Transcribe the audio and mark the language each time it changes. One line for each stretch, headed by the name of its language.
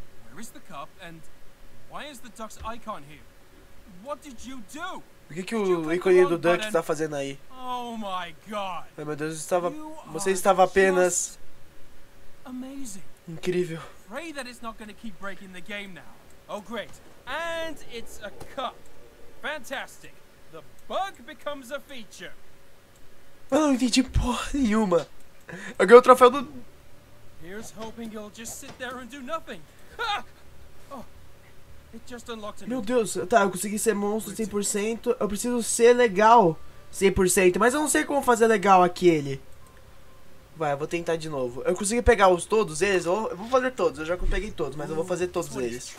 English: Where is the cup and why is the duck's icon here? What did you do?
Portuguese: O que que o ícone do duck está fazendo aí?
English: Oh my god.
Portuguese: Ai, meu Deus, você estava apenas
English: amazing.
Portuguese: Incrível.
English: Pray that it's not going to keep breaking the game now. Oh great. And it's a cup. Fantastic. The bug becomes a feature.
Portuguese: Eu não entendi porra nenhuma. Eu ganhei o troféu do.
English: Here's hoping you'll just sit there and do nothing. Oh, it just unlocked
Portuguese: a. Meu Deus, tá, eu consegui ser monstro 100%. Eu preciso ser legal 100%, mas eu não sei como fazer legal aquele. Vai, eu vou tentar de novo. Eu consegui pegar os todos eles? Eu vou fazer todos, eu já peguei todos, mas eu vou fazer todos eles.